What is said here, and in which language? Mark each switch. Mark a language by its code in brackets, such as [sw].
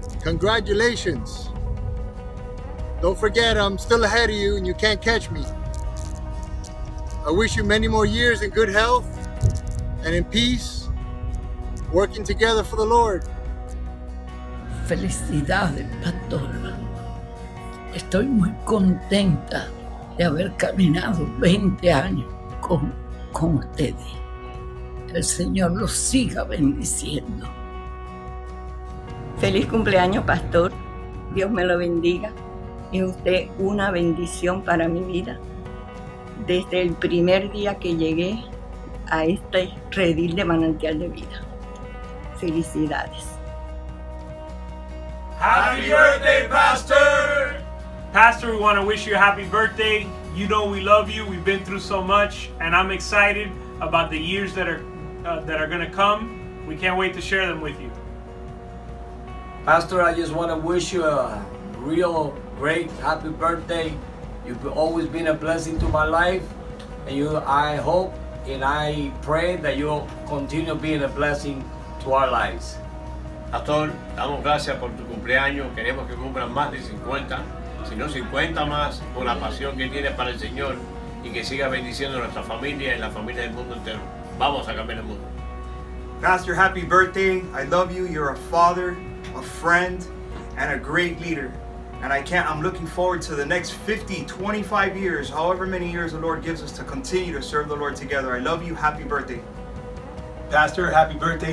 [en] Congratulations. Don't forget, I'm still ahead of you and you can't catch me. I wish you many more years in good health and in peace, working together for the Lord. [es] Felicidades, Pastor. Estoy muy contenta de haber caminado 20 años con ustedes. El Señor los siga bendiciendo. Feliz cumpleaños, Pastor. Dios me lo bendiga. Es usted una bendición para mi vida. Desde el primer día que llegué a este redil de manantial de vida. Felicidades. [en] Happy birthday, Pastor! Pastor, we want to wish you a happy birthday. You know we love you. We've been through so much, and I'm excited about the years that are going to come. We can't wait to share them with you. Pastor, I just want to wish you a real great happy birthday. You've always been a blessing to my life, and I hope and I pray that you'll continue being a blessing to our lives. [es] Pastor, damos gracias por tu cumpleaños. Queremos que cumplan más de 50, si no 50 más, por la pasión que tienes para el Señor y que siga bendiciendo nuestra familia y la familia del mundo entero. Vamos a cambiar el mundo. [en] Pastor, happy birthday. I love you. You're a father, a friend, and a great leader. And I'm looking forward to the next 50, 25 years, however many years the Lord gives us to continue to serve the Lord together. I love you. Happy birthday. Pastor, happy birthday.